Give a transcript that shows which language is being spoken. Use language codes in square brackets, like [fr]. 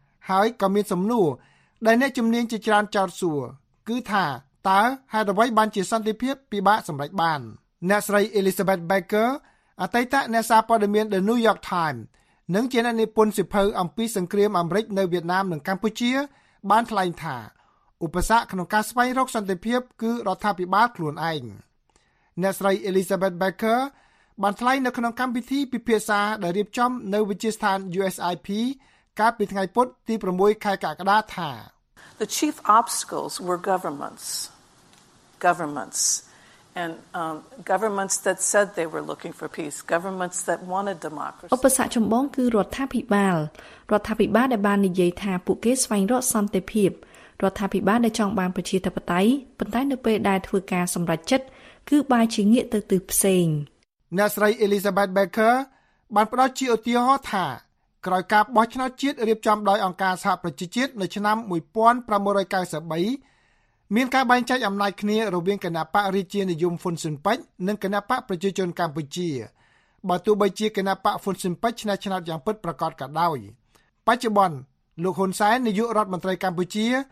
[km] ហើយក៏មានសំណួរដែលអ្នកជំនាញជាច្រើនចោទសួរគឺថាតើហេតុអ្វីបានជាសន្តិភាពពិបាកសម្រេចបានអ្នកស្រី Elizabeth Baker អតីតអ្នកសារព័ត៌មាន The New York Times និងជាអ្នកនិពន្ធសិភៅអំពីសង្គ្រាមអាមេរិកនៅវៀតណាមនិងកម្ពុជាបានថ្លែងថាឧបសគ្គក្នុងការស្វែងរកសន្តិភាពគឺរដ្ឋាភិបាលខ្លួនឯង អ្នកស្រី Elizabeth Baker បានថ្លែងនៅក្នុងកម្មវិធីពិភាក្សាដែលរៀបចំនៅវិទ្យាស្ថាន USIP កាលពីថ្ងៃពុធទី6ខែកក្កដាថា [en] The chief obstacles were governments and governments that said they were looking for peace, governments that wanted democracy. [km] ឧបសគ្គចម្បងគឺរដ្ឋាភិបាលដែលបាននិយាយថាពួកគេស្វែងរកសន្តិភាពរដ្ឋាភិបាលដែលចង់បានប្រជាធិបតេយ្យប៉ុន្តែនៅពេលដែលធ្វើការសម្រេចចិត្តគឺបែរជាងាកទៅទិសផ្សេង អ្នកស្រី Elizabeth Baker បានផ្ដល់ជាឧទាហរណ៍ថាក្រោយការបោះឆ្នោតជាតិរៀបចំដោយអង្គការសហប្រជាជាតិនៅឆ្នាំ1993មានការបែងចែកអំណាចគ្នារវាងគណបករាជានិយមហ្វុនស៊ិនប៉ិចនិងគណបកប្រជាជនកម្ពុជាបើទោះបីជាគណបកហ្វុនស៊ិនប៉ិចឈ្នះឆ្នោតយ៉ាងពិតប្រាកដក៏ដោយបច្ចុប្បន្នលោកហ៊ុនសែននាយករដ្ឋមន្ត្រីកម្ពុជា